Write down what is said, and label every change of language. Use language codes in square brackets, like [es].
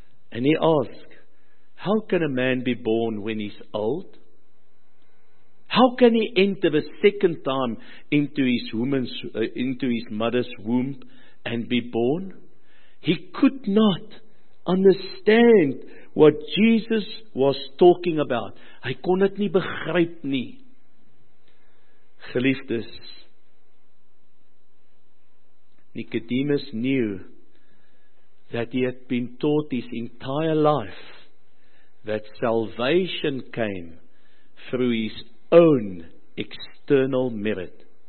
[en] And he asked, how can a man be born when he's old? How can he enter the second time into his mother's womb and be born? He could not understand what Jesus was talking about. [af] Hy kon dit nie begryp nie. [en] Geliefdes, Nicodemus knew that he had been taught his entire life that salvation came through his own external merit.